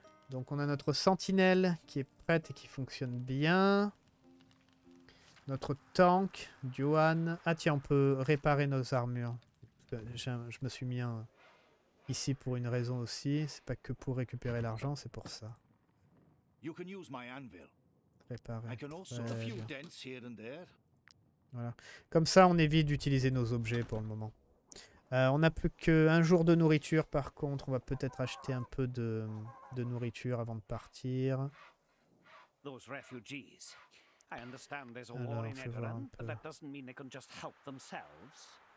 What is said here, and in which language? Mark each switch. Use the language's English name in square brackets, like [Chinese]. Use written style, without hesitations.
[French] Donc on a notre sentinelle qui est prête et qui fonctionne bien. Notre tank, Duan. Ah tiens, on peut réparer nos armures. Je me suis mis un... Ici pour une raison aussi, c'est pas que pour récupérer l'argent, c'est pour ça. [English] You can use my anvil. [French] Réparer. [English] I can also a few dents here and there. [French] Voilà. Comme ça, on évite d'utiliser nos objets pour le moment. On n'a plus qu'un jour de nourriture, par contre, on va peut-être acheter un peu de nourriture avant de partir. [English] those refugees. I understand there's a war in Edoran, but that doesn't mean they can just help themselves.